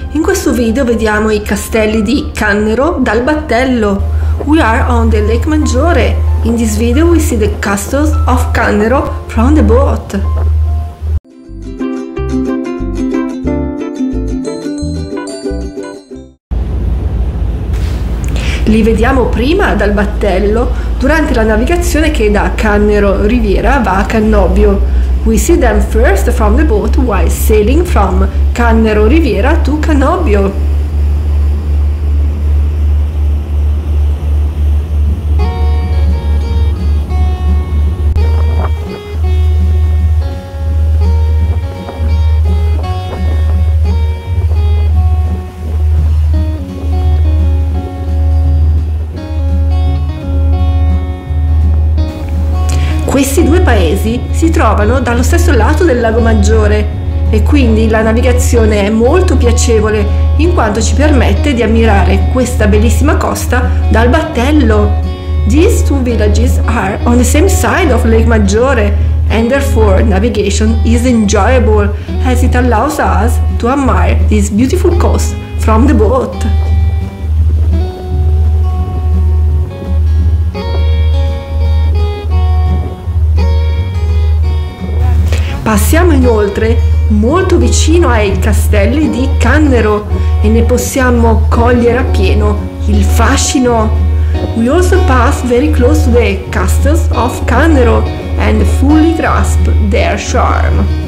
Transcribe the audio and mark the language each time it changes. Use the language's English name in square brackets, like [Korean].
[Italian] In questo video vediamo i castelli di Cannero dal battello. [English] We are on the Lake Maggiore. In this video we see the castles of Cannero from the boat. [Italian] Li vediamo prima dal battello durante la navigazione che da Cannero Riviera va a Cannobio. [English] We see them first from the boat while sailing from Cannero Riviera to Cannobio. [Italian] Questi due paesi si trovano dallo stesso lato del Lago Maggiore e quindi la navigazione è molto piacevole in quanto ci permette di ammirare questa bellissima costa dal battello. [English] These two villages are on the same side of Lake Maggiore and therefore navigation is enjoyable as it allows us to admire this beautiful coast from the boat. [Italian] Passiamo inoltre molto vicino ai castelli di Cannero e ne possiamo cogliere appieno il fascino. [English] We also pass very close to the castles of Cannero and fully grasp their charm.